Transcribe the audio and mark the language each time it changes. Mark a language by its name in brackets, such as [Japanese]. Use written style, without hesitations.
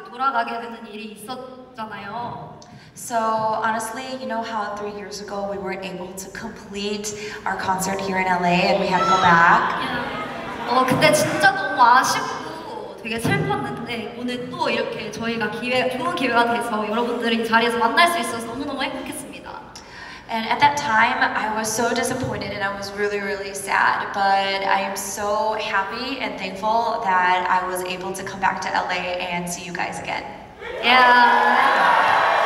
[English] So honestly, you know how 3 years ago we weren't able to complete our concert here in LA and we had to go back? Yeah. [Korean] 근데 진짜 너무 아쉽고 되게 슬펐는데 오늘 또 이렇게 저희가 좋은 기회가 돼서 여러분들이 자리에서 만날 수 있어서 너무너무 행복했습니다. [English] And at that time, I was so disappointed and I was really, really sad. But I am so happy and thankful that I was able to come back to LA and see you guys again. Yeah.